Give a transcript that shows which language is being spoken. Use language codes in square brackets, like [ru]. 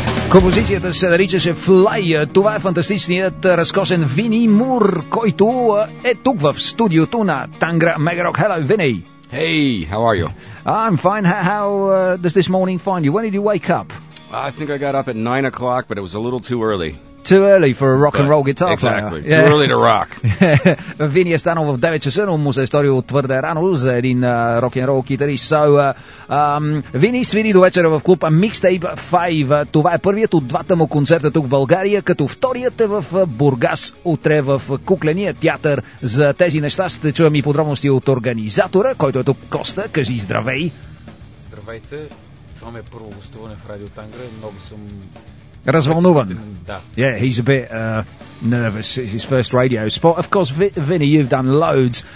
[bg] Композицията се наричаше Fly. Това е фантастичният разкошен Вини Мур, който е тук в студиото на Тангра Мегарок. [en] Hello, Vinny. Hey, how are you? I'm fine. How does this morning find you? When did you wake up? I think I got up at 9 o'clock, but it was a little too early. Too early for a rock and roll guitar exactly. Exactly. Too early to rock. [bg] Vinny е станал в 9 часа, но му се е сторил твърде рано за един [en] rock and roll [bg] китарист. So, Vinny свири до вечера в клуба Mixtape 5. Това е първият от двата му концерта тук в България, като вторият е в Бургас, утре в Кукления театър. За тези неща ще чуем и подробности от организатора, който е тук, Коста. Кажи здравей. Здравейте. Това ми е първо гостуване в Радио Тангра. Много съм... Развълнуван. Да. [en] Yeah, he's a bit nervous. It's his first radio spot. Of course, Vinny, you've done loads.